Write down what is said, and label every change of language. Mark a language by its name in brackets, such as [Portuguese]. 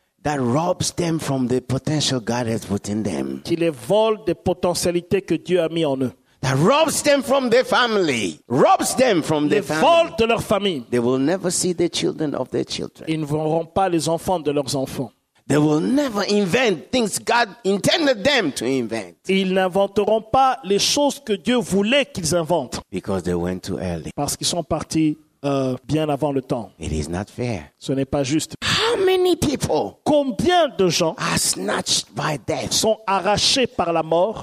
[English] that robs them from the potential God has put in them, [French] qui les vole des potentialités que Dieu a mis en eux, [English] that robs them from their family, robs them from [French] les [English] their family, [French] les vole de leur famille. [English] They will never see the children of their children. [French] Ils ne verront pas les enfants de leurs enfants. [English] They will never invent things God intended them to invent. [French] Ils n'inventeront pas les choses que Dieu voulait qu'ils inventent. [English] Because they went too early. [French] Parce qu'ils sont partis. Bien avant le temps. [English] It is not fair. [French] Ce n'est pas juste. [English] How many people? [French] Combien de gens [English] are snatched by death? [French] Sont arrachés par la mort